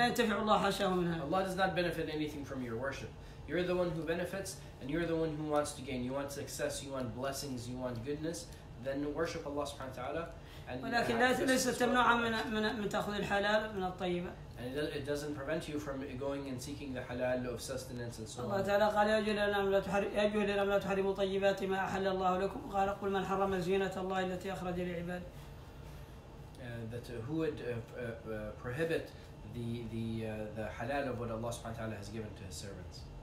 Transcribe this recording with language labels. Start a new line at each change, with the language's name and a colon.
English: Allah does not benefit anything from your worship. You're the one who benefits, and you're the one who wants to gain. You want success, you want blessings, you want goodness, then worship Allah subhanahu wa ta'ala.
Arabic: ولكن لا ليس تمنع من تأخذ الحلال من الطيبة.
English: And it doesn't prevent you from going and seeking the halal of sustenance and so on.
Arabic: الله تعالى قال يا أيها الذين آمنوا لا تحرموا طيبات ما أحل الله لكم. قال قل من حرم زينة الله التي أخرج للعباد.
English: That who would prohibit the halal of what Allah سبحانه وتعالى has given to his servants.